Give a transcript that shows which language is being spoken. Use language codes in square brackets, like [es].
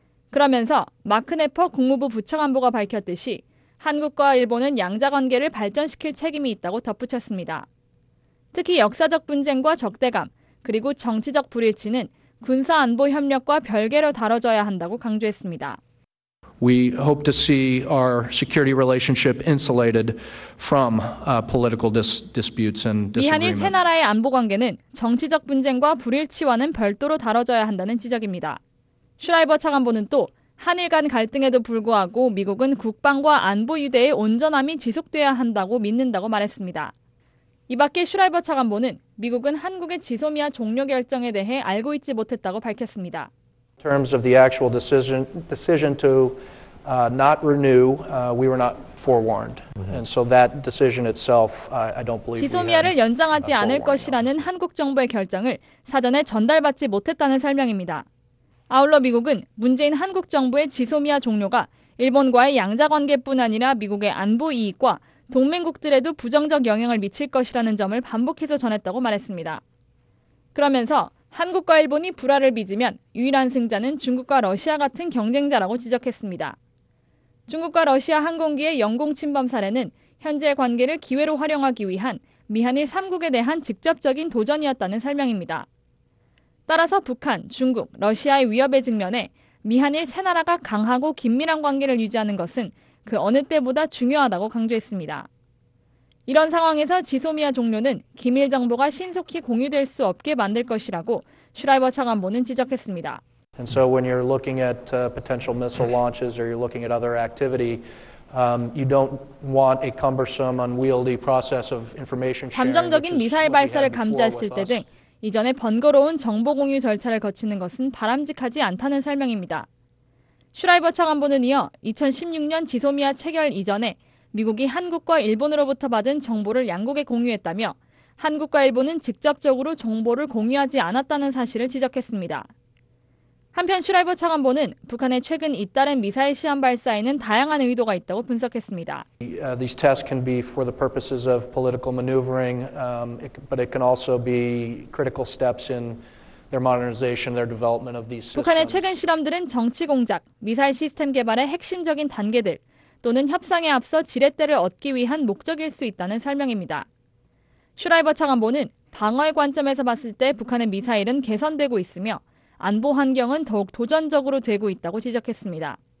[ko] 그러면서 마크 네퍼 국무부 부차관보가 밝혔듯이 한국과 일본은 양자관계를 발전시킬 책임이 있다고 덧붙였습니다. 특히 역사적 분쟁과 적대감 그리고 정치적 불일치는 군사안보협력과 별개로 다뤄져야 한다고 강조했습니다. [en] We hope to see our security relationship insulated from political disputes and disagreement. [ko] 미한일 세 나라의 안보 관계는 정치적 분쟁과 불일치와는 별도로 다뤄져야 한다는 지적입니다. 슈라이버 차관보는 또 한일 간 갈등에도 불구하고 미국은 국방과 안보 유대의 온전함이 지속돼야 한다고 믿는다고 말했습니다. 이 밖에 슈라이버 차관보는 미국은 한국의 지소미아 종료 결정에 대해 알고 있지 못했다고 밝혔습니다. [en] In terms of the actual decision to not renew, we were not forewarned. And so that decision itself, I don't believe. [ko] 지소미아를 연장하지 않을 것이라는 한국 정부의 결정을 사전에 전달받지 못했다는 설명입니다. 아울러 미국은 문재인 한국 정부의 지소미아 종료가 일본과의 양자 관계뿐 아니라 미국의 안보 이익과 동맹국들에도 부정적 영향을 미칠 것이라는 점을 반복해서 전했다고 말했습니다. 그러면서 한국과 일본이 불화를 빚으면 유일한 승자는 중국과 러시아 같은 경쟁자라고 지적했습니다. 중국과 러시아 항공기의 영공 침범 사례는 현재의 관계를 기회로 활용하기 위한 미한일 3국에 대한 직접적인 도전이었다는 설명입니다. 따라서 북한, 중국, 러시아의 위협에 직면해 미한일 세 나라가 강하고 긴밀한 관계를 유지하는 것은 그 어느 때보다 중요하다고 강조했습니다. 이런 상황에서 지소미아 종료는 기밀 정보가 신속히 공유될 수 없게 만들 것이라고 슈라이버 차관보는 지적했습니다. [en] And so when you're looking at potential missile launches or you're looking at other activity, you don't want a cumbersome, unwieldy process of information sharing. [ko] 잠정적인 미사일 발사를 감지했을 때 등 이전에 번거로운 정보 공유 절차를 거치는 것은 바람직하지 않다는 설명입니다. 슈라이버 차관보는 이어 2016년 지소미아 체결 이전에 미국이 한국과 일본으로부터 받은 정보를 양국에 공유했다며 한국과 일본은 직접적으로 정보를 공유하지 않았다는 사실을 지적했습니다. 한편 슈라이버 차관보는 북한의 최근 잇따른 미사일 시험 발사에는 다양한 의도가 있다고 분석했습니다. [en] These tests can be for the purposes of political maneuvering, but it can also be critical steps in their modernization, their development of these systems. [ko] 북한의 최근 실험들은 정치 공작, 미사일 시스템 개발의 핵심적인 단계들, 또는 협상에 앞서 지렛대를 얻기 위한 목적일 수 있다는 설명입니다. 슈라이버 차관보는 방어의 관점에서 봤을 때 북한의 미사일은 개선되고 있으며 안보 환경은 더욱 도전적으로 되고 있다고 지적했습니다.